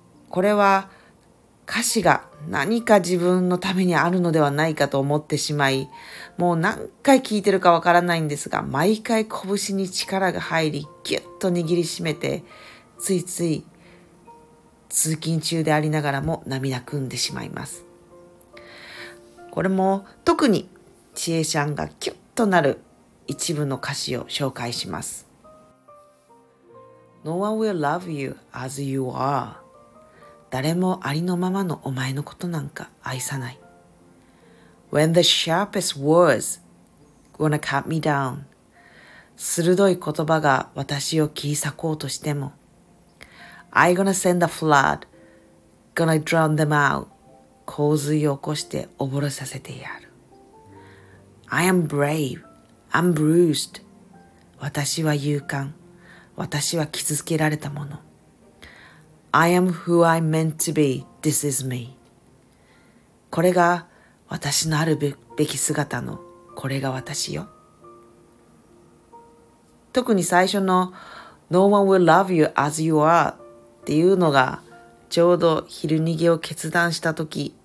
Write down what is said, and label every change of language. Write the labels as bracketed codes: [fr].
[ja] これは歌詞が何か自分のためにあるのではないかと思ってしまい、もう何回聴いてるかわからないんですが、毎回拳に力が入り、ギュッと握りしめて、ついつい通勤中でありながらも涙ぐんでしまいます。これも特にチエシャンがキュッとなる一部の歌詞を紹介します。 [en] No one will love you as you are. [ja] 誰もありのままのお前のことなんか愛さない。 [en] When the sharpest words gonna cut me down. [ja] 鋭い言葉が私を切り裂こうとしても、 [en] I'm gonna send a flood, gonna drown them out. [ja] 洪水を起こして溺れさせてやる。 [en] I am brave, I'm bruised. [ja] 私は勇敢、私は傷つけられたもの。 [en] I am who I'm meant to be, this is me. [ja] これが私のあるべき姿の、これが私よ。特に最初の [en] No one will love you as you are. [ja] っていうのがちょうど昼逃げを決断した時